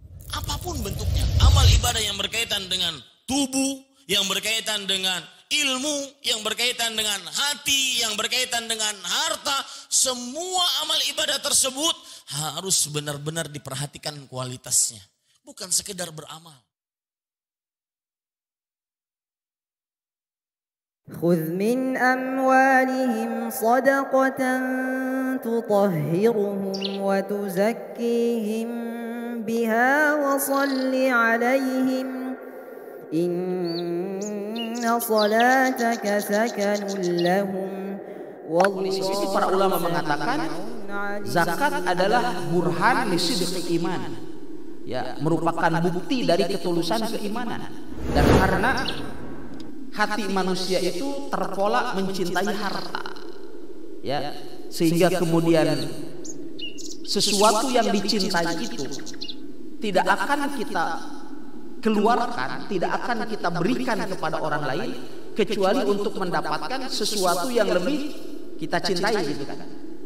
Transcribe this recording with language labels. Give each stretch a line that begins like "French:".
Indonesian: Apapun bentuknya, amal ibadah yang berkaitan dengan tubuh, yang berkaitan dengan ilmu, yang berkaitan dengan hati, yang berkaitan dengan harta, semua amal ibadah tersebut harus benar-benar diperhatikan kualitasnya, bukan sekedar beramal.
Arabic: خذ من أموالهم صدقة تطهرهم وتزكيهم بها وصل عليهم inna salataka sakanun lahum.
Indonesian: Sisi para ulama mengatakan zakat adalah
Arabic: burhan li sidqi iman,
Indonesian: ya, merupakan bukti dari ketulusan keimanan. Dan karena hati manusia itu terpola mencintai harta, ya, sehingga kemudian sesuatu yang dicintai itu tidak akan kita keluarkan, tidak akan kita berikan kepada orang lain kecuali untuk mendapatkan sesuatu yang lebih kita cintai, gitu kan.